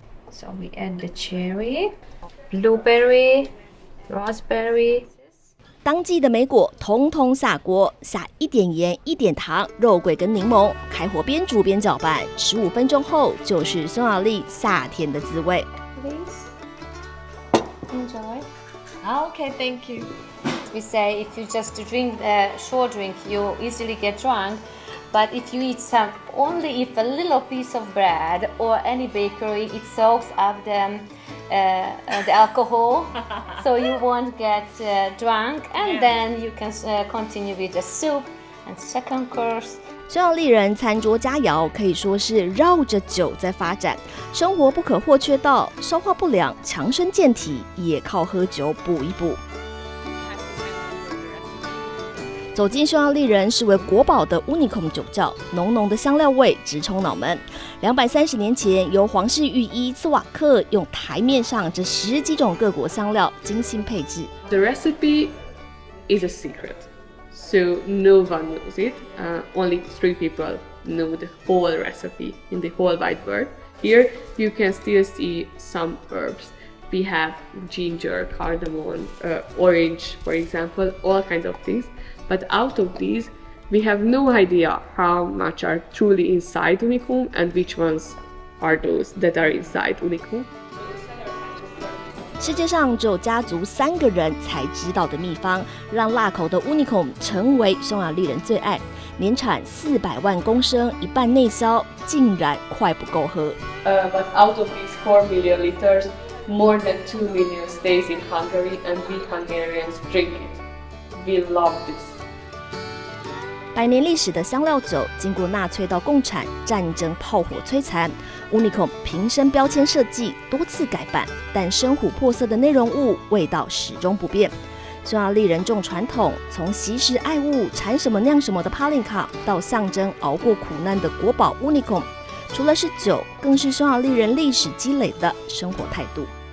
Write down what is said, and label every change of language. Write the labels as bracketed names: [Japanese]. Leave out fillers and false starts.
[English] So we add the cherry, blueberry, raspberry. [Chinese] 当季的莓果统统下锅，下一点盐、一点糖、肉桂跟柠檬，开火边煮边搅拌，15分钟后就是匈牙利夏天的滋味。 [English] Please enjoy. Okay, thank you. We say if you just drink a short drink, you easily get drunk. But if you eat some, only if a little piece of bread or any bakery, it soaks up them. The alcohol, so you won't get drunk, and then you can continue with the soup and second course. [Chinese] 匈牙利人餐桌佳肴可以说是绕着酒在发展，生活不可或缺到消化不良、强身健体也靠喝酒补一补。走进匈牙利人视为国宝的 Unicum 酒窖，浓浓的香料味直冲脑门。 230年前，由皇室御医茨瓦克用台面上这10几种各国香料精心配制。 [English] The recipe is a secret, so no one knows it. Only 3 people know the whole recipe in the whole wide world. Here you can still see some herbs. We have ginger, cardamom, orange, for example, all kinds of things. But out of these, we have no idea how much are truly inside Unicum and which ones are those that are inside Unicum. [Chinese] 世界上只有家族3个人才知道的秘方，让辣口的 Unicum 成为匈牙利人最爱。年产400万公升，一半内销，竟然快不够喝。 [English] But out of these 4 million liters, more than 2 million stays in Hungary, and we Hungarians drink it. We love this. [Chinese] 百年历史的香料酒，经过纳粹到共产、战争、炮火摧残 ，Unicum 瓶身标签设计多次改版，但深琥珀色的内容物味道始终不变。匈牙利人重传统，从习食爱物、产什么酿什么的 Palinka， 到象征熬过苦难的国宝 Unicum， 除了是酒，更是匈牙利人历史积累的生活态度。